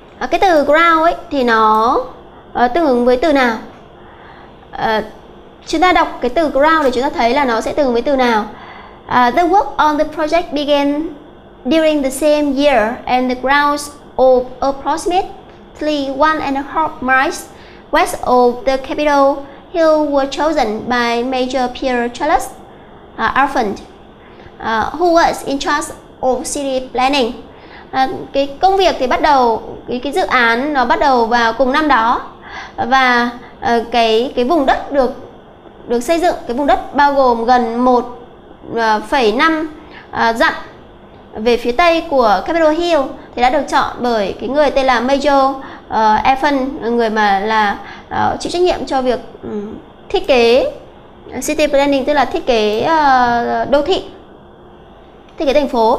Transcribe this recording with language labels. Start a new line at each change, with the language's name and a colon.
Vietnamese: Cái từ ground ấy thì nó tương ứng với từ nào? Chúng ta đọc cái từ ground thì chúng ta thấy là nó sẽ tương ứng với từ nào?
English: The work on the project began during the same year and the grounds of approximately 1.5 miles west of the Capitol Hill were chosen by Major Pierre Charles Alphand, who was in charge of city planning.
Vietnamese: Cái công việc thì bắt đầu, cái dự án nó bắt đầu vào cùng năm đó, và cái vùng đất được xây dựng, cái vùng đất bao gồm gần 1.5 dặm về phía tây của Capitol Hill thì đã được chọn bởi cái người tên là Major Evan, người mà là chịu trách nhiệm cho việc thiết kế city planning, tức là thiết kế đô thị, thiết kế thành phố.